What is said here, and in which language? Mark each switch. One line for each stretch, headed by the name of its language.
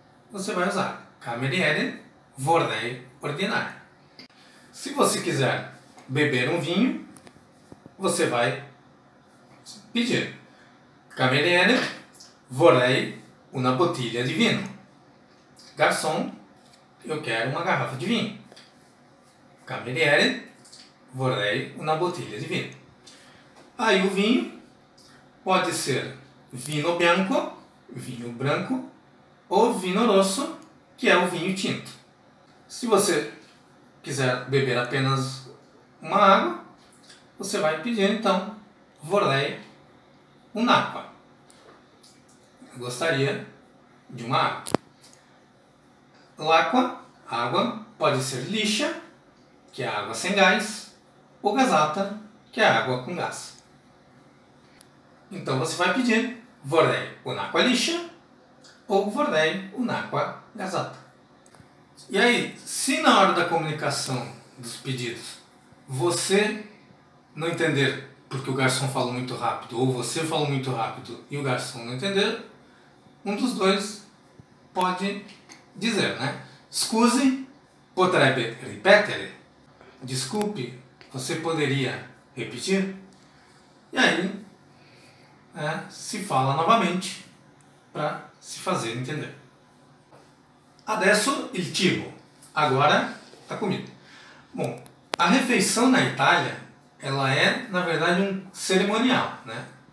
Portuguese: Você vai usar
Italian: cameriere, vorrei ordinare.
Portuguese: Se você quiser beber um vinho, você vai pedir
Italian: cameriere, vorrei una bottiglia di vino.
Portuguese: Garçom, eu quero uma garrafa de vinho.
Italian: Cameriere, vorrei una bottiglia di vino.
Portuguese: Aí o vinho pode ser
Italian: vino bianco,
Portuguese: vinho branco, ou
Italian: vino rosso,
Portuguese: que é o vinho tinto. Se você quiser beber apenas uma água, você vai pedir, então,
Italian: vorrei un'acqua.
Portuguese: Eu gostaria de uma água.
Italian: L'acqua,
Portuguese: água, pode ser liscia, que é água sem gás, ou
Italian: gasata,
Portuguese: que é água com gás. Então, você vai pedir
Italian: vorrei un'acqua liscia
Portuguese: ou
Italian: vorrei un'acqua gasata.
Portuguese: E aí, se na hora da comunicação dos pedidos você não entender porque o garçom falou muito rápido, ou você falou muito rápido e o garçom não entendeu, um dos dois pode dizer, né?
Italian: Scusi, potrebbe ripetere?
Portuguese: Desculpe, você poderia repetir? E aí, né, se fala novamente para se fazer entender.
Italian: Adesso il cibo.
Portuguese: Agora a comida. Bom, a refeição na Itália, ela é, na verdade, um cerimonial, né?